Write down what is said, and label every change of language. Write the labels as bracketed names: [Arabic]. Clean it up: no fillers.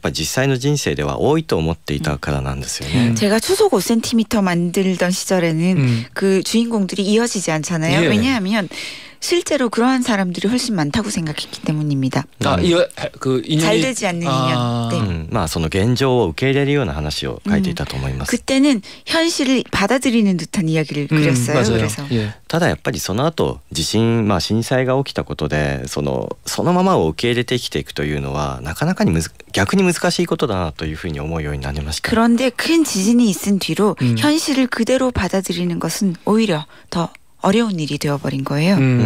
[Japanese] 僕は確かにその秒速5cmの頃は恋が結ばれないという話を書いていました。それはそういうことの方がやっぱり実際の人生では多いと思っていたからなんですよね。 [Korean] 제가 초속 5cm 만들던 시절에는 그 주인공들이 이어지지 않잖아요. 예. 왜냐하면 실제로 그러한 사람들이 훨씬 많다고 생각했기 때문입니다. 아, 이 그 인연이 잘 되지 않는 인연. [Japanese] まあその現状を受け入れるような話を書いていたと思います. [Korean] 그때는 현실을 받아들이는 듯한 이야기를 그렸어요. 맞아요. 그래서. 예. [Japanese] ただやっぱりその後地震、まあ震災が起きたことで、そのままを受け入れて生きていくというのはなかなかに逆に難しいことだなというふうに思うようになりました。 [Korean] 그런데 큰 지진이 있은 뒤로 현실을 그대로 받아들이는 것은 오히려 더 어려운 일이 되어버린 거예요.